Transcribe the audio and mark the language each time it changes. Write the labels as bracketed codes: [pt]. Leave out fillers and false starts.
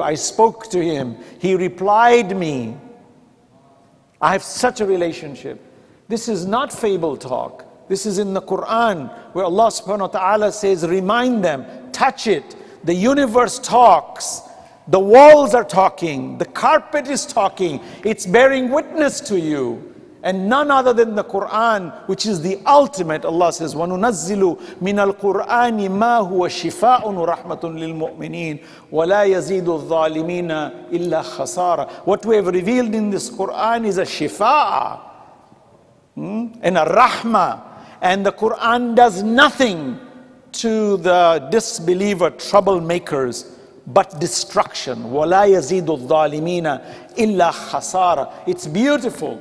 [en] I spoke to him. He replied me. I have such a relationship. This is not fable talk. This is in the Quran where Allah subhanahu wa ta'ala says, remind them, touch it. The universe talks. The walls are talking. The carpet is talking. It's bearing witness to you. And none other than the Quran, which is the ultimate, Allah says, [ar] وَنُنَزِّلُ مِنَ الْقُرْآنِ مَا هُوَ شِفَاءٌ وَرَحْمَةٌ لِلْمُؤْمِنِينَ وَلَا يَزِيدُ الظَّالِمِينَ إِلَّا خَسَارًا. [en] What we have revealed in this Quran is a shifa and a rahma. And the Quran does nothing to the disbeliever troublemakers, but destruction. [ar] وَلَا يَزِيدُ الظَّالِمِينَ إِلَّا خَسَارًا. [en] It's beautiful.